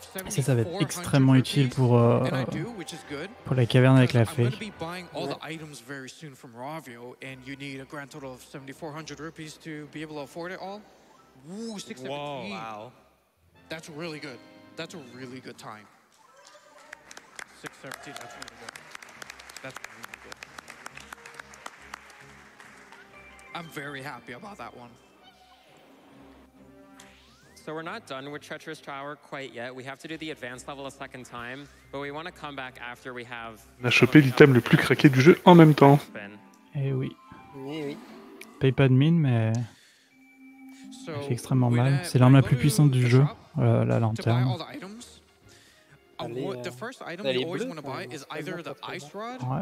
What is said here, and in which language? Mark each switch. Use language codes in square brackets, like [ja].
[fr] Ça, ça va être extrêmement utile pour la caverne avec la fée. [en] Items very soon from Ravio, and you need a grand total of 7,400 rupees to be able to afford it all. Woo, 617. Wow. That's really good. That's a really good time. 617, that's really good. I'm very happy about that one. So we're not done with Treacherous Tower quite yet. We have to do the advanced level a second time, but we want to come back after we have. [fr] On a chopé l'item le plus craqué du jeu en même temps. Eh oui. Eh oui. Paye pas de mine, mais. Il fait extrêmement mal. C'est l'arme la plus puissante du jeu, la lanterne. [en] The first item you always want to buy is either the ice rod